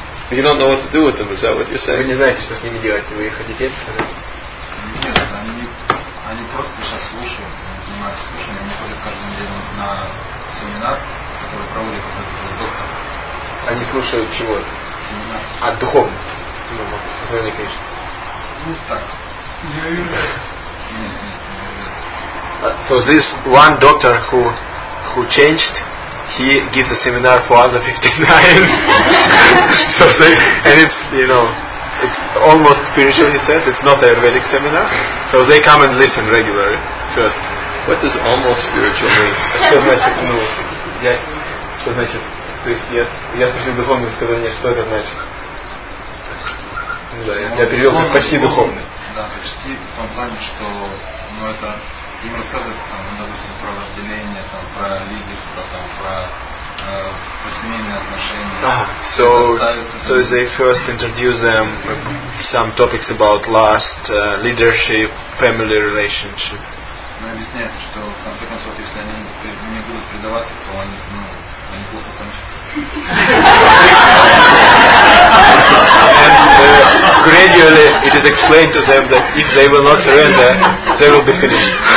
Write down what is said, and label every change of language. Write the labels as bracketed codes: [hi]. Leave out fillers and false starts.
[en] You don't know what to do with them, is that what you're saying? [ru] Вы не знаете, что с ними делать. Вы хотите это сказать? Нет, они просто сейчас слушают, занимаются слушанием. Они ходят каждый день на семинар, который проводит этот доктор. Они слушают чего? Семинар. А, духовный? Ну, вот, со стороны, конечно. Ну, так. Я верю. Нет. [en] So this one doctor who changed, he gives a seminar for other 59 and it's, you know, it's almost spiritual, he says. It's not a Ayurvedic seminar, so they come and listen regularly first. What does almost spiritual mean? [ru] Что значит, ну, я, что значит, то есть я спросил духовный, сказал мне, что это значит. Не знаю, я перевел как почти духовный. Да, почти, в том плане, что, ну, это... Им рассказывается, там, допустим, про вожделение, там, про лидерство, там, про семейные отношения. [en] So they first introduce them some topics about lust, leadership, family relationship. [ru] Ну, объясняется, что, в конце концов, если они не будут предаваться, то они, ну, они плохо кончат. [en] Gradually, it is explained to them that if they will not surrender, they will be finished.